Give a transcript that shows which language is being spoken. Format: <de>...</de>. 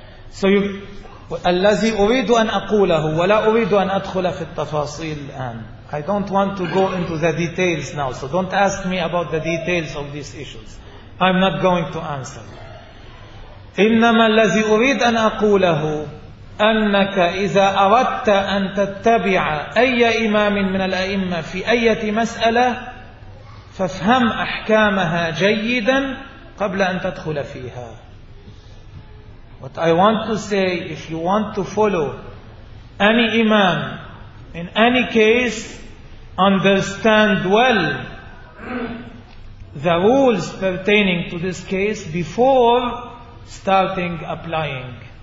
<ar>So الذي أريد أن أقوله ولا أريد أن أدخل في التفاصيل الآن.</ar> <en>I don't want to go into the details now. So don't ask me about the details of these issues. I'm not going to answer.</en> <ar>إنما الذي أريد أن أقوله أنك إذا أردت أن تتبع أي إمام من الأئمة في أي مسألة فافهم أحكامها جيدا قبل أن تدخل فيها.</ar> <en>What I want to say, if you want to follow any Imam in any case, understand well the rules pertaining to this case before starting applying.</en>